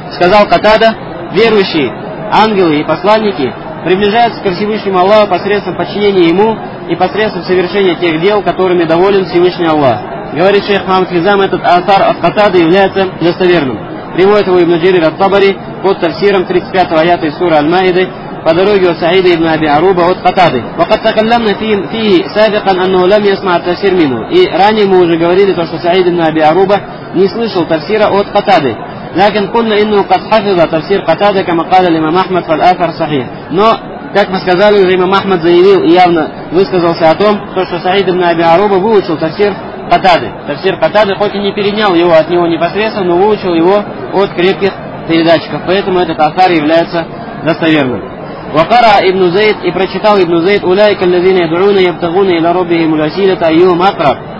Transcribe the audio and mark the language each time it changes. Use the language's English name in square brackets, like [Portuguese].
[Russian] Сказал Катада, верующие, ангелы и посланники приближаются ко Всевышнему Аллаху посредством подчинения Ему и посредством совершения тех дел, которыми доволен Всевышний Аллах. Говорит шейх Мухаммад Хизам, этот атар от Катады является достоверным. Приводит его ибн Джерир ат-Табари под тафсиром 35-го аята из суры аль-Маиды по дороге от Саида ибн Аби Аруба от Катады. [Arabic] وقد تكلمنا فيه سابقا انه لم يسمع التفسير منه. [Russian] И ранее мы уже говорили то, что Саид ибн Аби Аруба не слышал тафсира от Катады. [Arabic] لكن قلنا انه قد حفظ تفسير قتاده كما قال الامام احمد فالاثر صحيح. [Russian] Но как мы сказали, уже имам Ахмад заявил и явно высказался о том, то, что Саид ибн Аби Аруба выучил тафсир Катады. Тафсир Катады, хоть и не перенял его от него непосредственно, но выучил его от крепких передатчиков. Поэтому этот атар является достоверным. Вакара ибн Зейд и прочитал ибн Зейд, «Уляйка лязина ядруна ябтагуна и лароби ему ласиля та ию макраб».